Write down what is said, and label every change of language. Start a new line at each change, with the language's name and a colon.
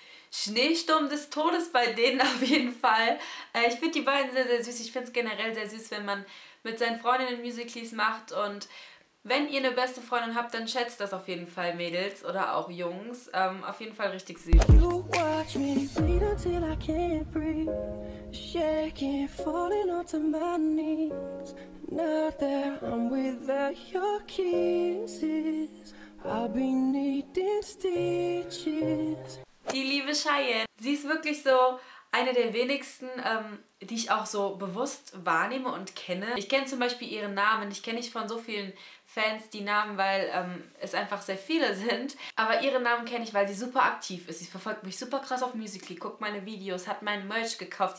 German: Schneesturm des Todes bei denen auf jeden Fall. Ich finde die beiden sehr, sehr süß. Ich finde es generell sehr süß, wenn man mit seinen Freundinnen Musical.ly's macht. Und wenn ihr eine beste Freundin habt, dann schätzt das auf jeden Fall, Mädels oder auch Jungs. Auf jeden Fall richtig süß.
English: You watch me bleed until I can't breathe. Shaking, falling onto my knees. Now that I'm without your kisses, I'll be needing stitches.
German: Die liebe Cheyenne, sie ist wirklich so eine der wenigsten, die ich auch so bewusst wahrnehme und kenne. Ich kenne zum Beispiel ihren Namen, ich kenne nicht von so vielen Fans die Namen, weil es einfach sehr viele sind. Aber ihren Namen kenne ich, weil sie super aktiv ist. Sie verfolgt mich super krass auf Musical.ly, guckt meine Videos, hat meinen Merch gekauft.